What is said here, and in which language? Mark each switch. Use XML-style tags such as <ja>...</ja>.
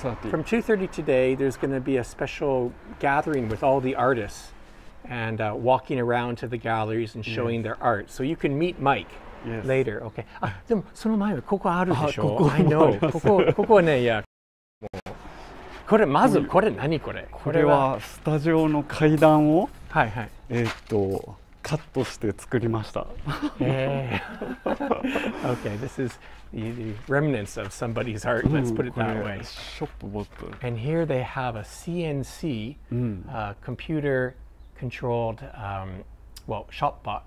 <en>From 2:30 today, there's going to be a special gathering with all the artists and walking around to the galleries and showing their art. So you can meet Mike. Yes. Later, okay.</en> <ja>Ah, でもその前はここあるでしょ。ここ</ja> <en>I know.</en> <ja>ここね、いや、もうこれまずこれ何これ？これはスタジオの階段をはいはい。カットして作りました。</ja> <en>okay, this is the remnants of somebody's art. Let's put it that way.</en> <ja>これショップボット。</ja> <en>And here they have a CNC, computer controlled, shop bot.</en>